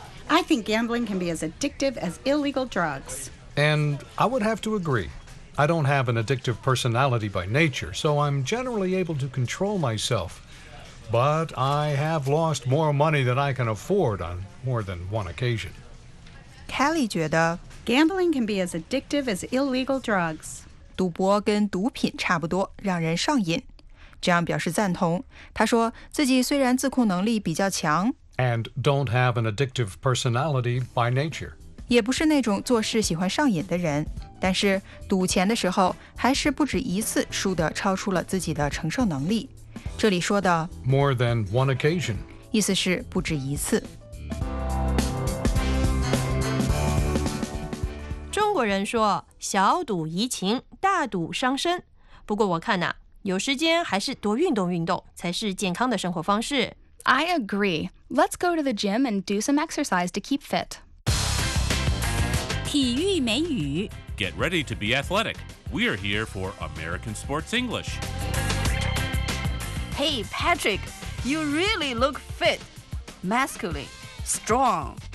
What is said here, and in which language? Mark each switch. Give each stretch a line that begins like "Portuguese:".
English: I think gambling can be as addictive as illegal drugs. And I would have to agree. I don't have an addictive personality by nature, so I'm generally able to control myself. But I have lost more money than I can afford on more than one occasion.
Chinese: Kelly 觉得
English: gambling can be as addictive as illegal drugs.
Chinese: 赌博跟毒品差不多，让人上瘾。这样表示赞同。他说自己虽然自控能力比较强
English: and don't have an addictive personality by nature.
Chinese: 也不是那种做事喜欢上瘾的人，但是赌钱的时候还是不止一次输得超出了自己的承受能力。这里说的
English: more than one occasion
Chinese: 意思是不止一次。中国人说小赌怡情，大赌伤身。不过我看啊，有时间还是多运动运动才是健康的生活方式。
English: I agree. Let's go to the gym and do some exercise to keep fit.
Chinese: 体育美语
English: Get ready to be athletic. We are here for American Sports English. Hey, Patrick, you really look fit, masculine, strong.